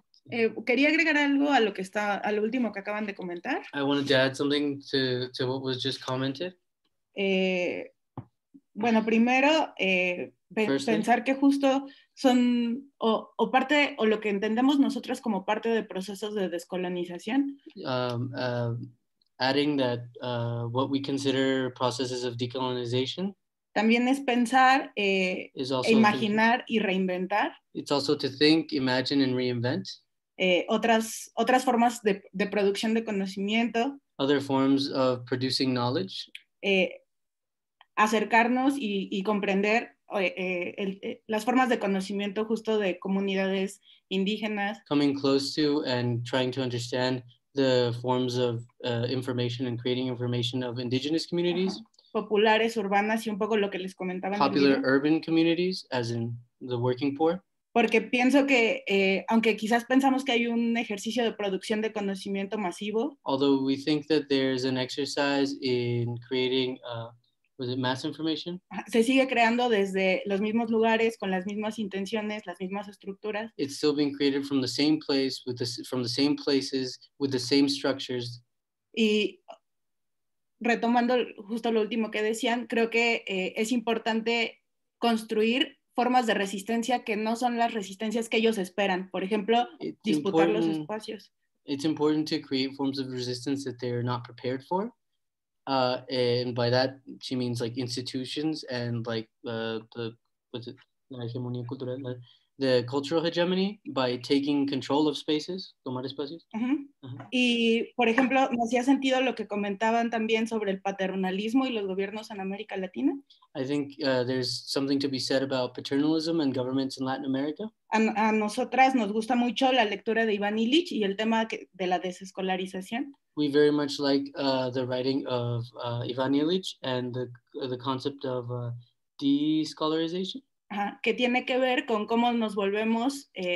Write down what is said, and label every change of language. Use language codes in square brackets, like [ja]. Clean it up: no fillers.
[es] Quería agregar algo a lo que está, a lo último que acaban de comentar. [en] I wanted to add something to what was just commented. [es] Bueno, primero, pensar que justo son, o parte, o lo que entendemos nosotros como parte de procesos de descolonización. [en] Adding that what we consider processes of decolonization. [es] También es pensar, imaginar y reinventar. [en] It's also to think, imagine, and reinvent. [es] Otras formas de producción de conocimiento. [en] Other forms of producing knowledge. [es] Acercarnos y comprender las formas de conocimiento justo de comunidades indígenas. [en] Coming close to and trying to understand the forms of information and creating information of indigenous communities. Uh-huh. [es] Populares, urbanas y un poco lo que les comentaba. [en] Popular urban communities, as in the working poor. [es] Porque pienso que, aunque quizás pensamos que hay un ejercicio de producción de conocimiento masivo. [en] Although we think that there's an exercise in creating, was it mass information? [es] Se sigue creando desde los mismos lugares, con las mismas intenciones, las mismas estructuras. [en] It's still being created from the same place, from the same places, with the same structures. [es] Y retomando justo lo último que decían, creo que es importante construir formas de resistencia que no son las resistencias que ellos esperan. Por ejemplo, it's disputar los espacios. [en] It's important to create forms of resistance that they're not prepared for. And by that, she means like institutions and like the cultural hegemony by taking control of spaces, [es] tomar espacios. Uh-huh. Uh-huh. Y, por ejemplo, ¿me hacía sentido lo que comentaban también sobre el paternalismo y los gobiernos en América Latina? [en] I think there's something to be said about paternalism and governments in Latin America. [es] A nosotras nos gusta mucho la lectura de Iván Illich y el tema de la desescolarización. [en] We very much like the writing of Iván Illich and the concept of de-scholarization. [es] Que tiene que ver con cómo nos volvemos